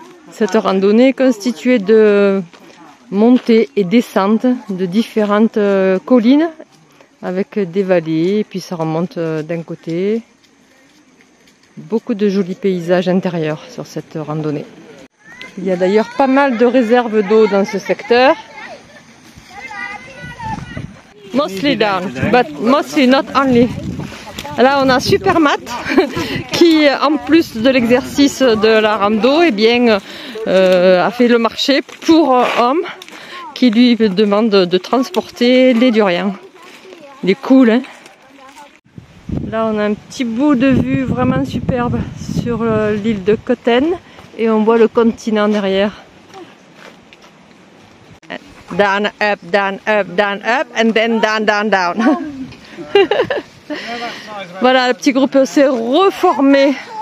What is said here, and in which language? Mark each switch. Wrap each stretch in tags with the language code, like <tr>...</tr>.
<fr>Cette randonnée est constituée de montées et descentes de différentes collines avec des vallées et puis ça remonte d'un côté. Beaucoup de jolis paysages intérieurs sur cette randonnée. Il y a d'ailleurs pas mal de réserves d'eau dans ce secteur.</fr> <en>Mostly down, but mostly not only.</en> <fr>Là, on a Supermat qui, en plus de l'exercice de la rando, eh bien, a fait le marché pour homme qui lui demande de transporter les durians. Il est cool, hein. Là, on a un petit bout de vue vraiment superbe sur l'île de Koh Tan et on voit le continent derrière.</fr> <en>Down, up, down, up, down, up, and then down, down, down.</en> <fr>Voilà, le petit groupe s'est reformé.</fr>